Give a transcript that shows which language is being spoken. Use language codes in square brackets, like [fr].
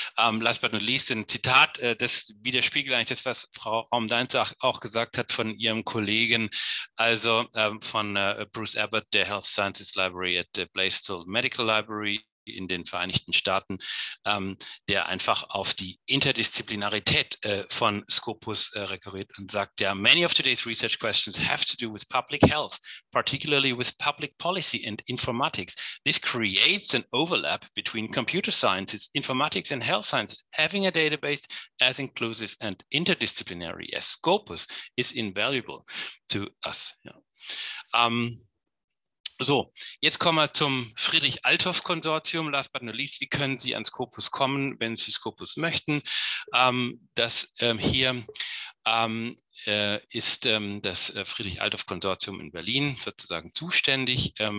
[de] Last but not least, ein Zitat, das widerspiegelt eigentlich das, was Frau Omdeinzer auch gesagt hat von ihrem Kollegen, also von Bruce Abbott, der Health Sciences Library at the Blaisdell Medical Library in den Vereinigten Staaten, der einfach auf die Interdisziplinarität von Scopus rekurriert und sagt, ja, [en] many of today's research questions have to do with public health, particularly with public policy and informatics. This creates an overlap between computer sciences, informatics and health sciences. Having a database as inclusive and interdisciplinary as Scopus is invaluable to us. [de] Ja. So, jetzt kommen wir zum Friedrich-Althoff-Konsortium. Last but not least, wie können Sie an Scopus kommen, wenn Sie Scopus möchten? Das hier ist das Friedrich-Althoff-Konsortium in Berlin sozusagen zuständig.